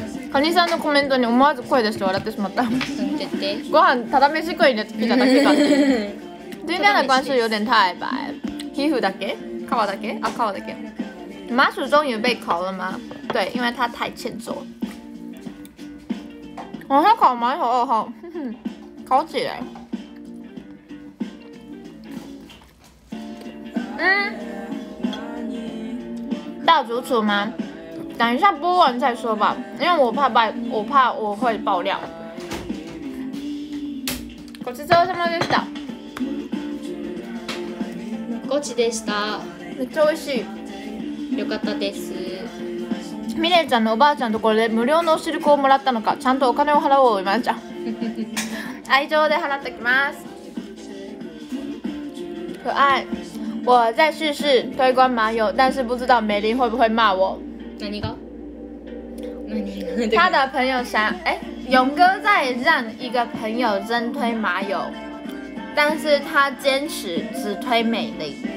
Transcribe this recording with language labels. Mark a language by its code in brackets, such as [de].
[ja] カニさんのコメントに思わず声出して笑ってしまった。ご飯ただ飯食いで来ただけか。 [zh] 今天的光是有点太白，皮肤だけ。烤的给啊，烤的给。麻薯终于被烤了吗？对，因为它太欠揍。我要烤麻薯二号，烤起来。嗯，大主厨吗？等一下播完再说吧，因为我怕我会爆料。 [ja] ごちそうさまでした。ごちでした。めっちゃ美味しい。よかったです。ミレイちゃんのおばあちゃんのところで無料のお汁粉をもらったのか、ちゃんとお金を払おう、今ちゃん。愛情で払っておきます。可愛。 [zh] 我再试试推关麻油，但是不知道美玲会不会骂我。 [ja] 何が？ [zh] 他的朋友想，勇哥在让一个朋友真推麻油，但是他坚持只推美玲。